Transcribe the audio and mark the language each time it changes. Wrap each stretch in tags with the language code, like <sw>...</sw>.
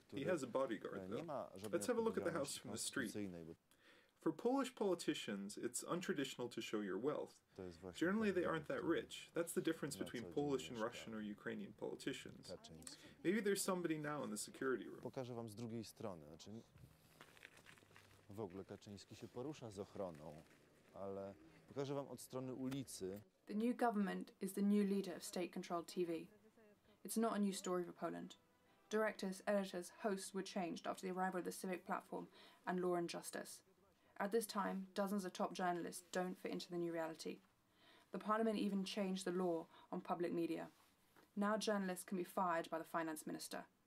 <en>He has a bodyguard, though. Let's have a look at the house from the street. For Polish politicians, it's untraditional to show your wealth. Generally, they aren't that rich. That's the difference between Polish and Russian or Ukrainian politicians. Maybe there's somebody now in the security room.</en> <pl>Pokażę wam z drugiej strony. Znaczy, w ogóle Kaczyński się porusza z ochroną, ale pokażę wam od strony ulicy.</pl> <en>The new government is the new leader of state-controlled TV. It's not a new story for Poland. Directors, editors, hosts were changed after the arrival of the Civic Platform and Law and Justice. At this time, dozens of top journalists don't fit into the new reality. The parliament even changed the law on public media. Now journalists can be fired by the finance minister.</en>